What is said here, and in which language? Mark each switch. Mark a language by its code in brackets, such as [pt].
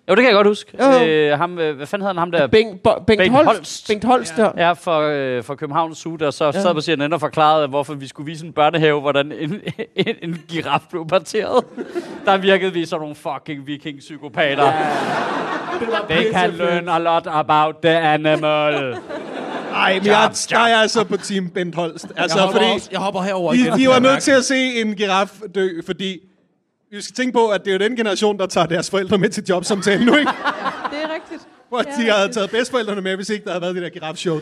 [da] Jo, det kan jeg godt huske. Ham, hvad fanden hedder han der? Bengt Holst. Ja, ja, for Københavns Zoo, der så sad på siden og forklarede, hvorfor vi skulle vise en børnehave, hvordan en giraf blev parteret. Der virkede vi som nogle fucking viking-psykopater. [en] Yeah. They can learn a lot about the animal. [da] Ej, men der er jeg altså på team Bengt Holst. Altså, jeg hopper herover igen. De var nødt til at se en giraf dø, fordi... Vi skal tænke på, at det er jo den generation, der tager deres forældre med til jobsamtalen nu, ikke? Det er rigtigt. Hvor de havde taget bedsteforældrene med, hvis ikke der havde været det der girafshow.